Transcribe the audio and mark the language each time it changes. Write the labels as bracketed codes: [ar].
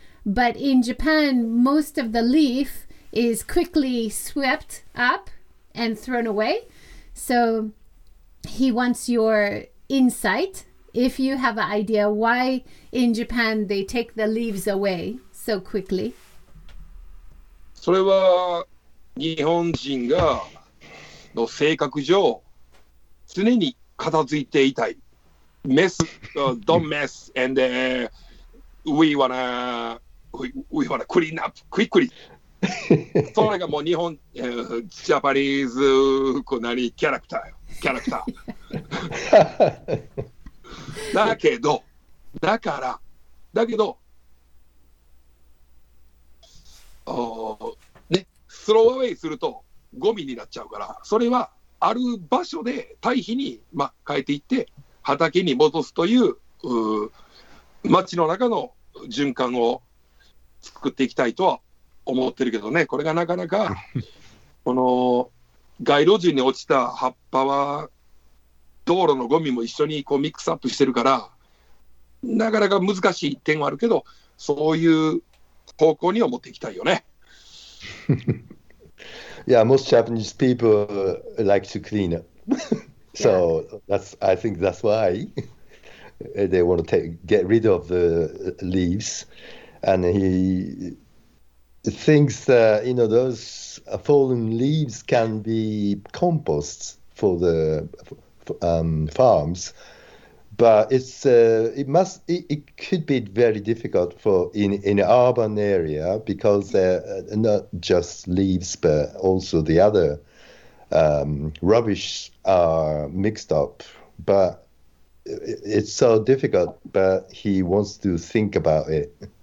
[en] But in Japan, most of the leaf is quickly swept up and thrown away. So he wants your insight. If you have an idea why in Japan they take the leaves away so quickly. [ja] それは日本人がの性格上常に片付いていたい。 [en] Mess, don't mess, and we wanna clean up quickly. [ja] それがもう日本、ジャパニーズこう何キャラクターだけどね、スローアウェイするとゴミになっちゃうから、それはある場所で堆肥に、ま、変えていって畑に戻すという町の中の循環を作っていきたいとは思ってるけどね、これがなかなかこの街路樹に落ちた葉っぱは道路のゴミも一緒にこうミックスアップしてるから、なかなか難しい点はあるけど、そういう方向に思っていきたいよね。 [en] Yeah, most Japanese people like to clean up. So that's, I think that's why they want to get rid of the leaves. And he thinks that, you know, those fallen leaves can be compost for the farms, but it's it could be very difficult for in an urban area, because they're not just leaves but also the other rubbish are mixed up, but it's so difficult, but he wants to think about it.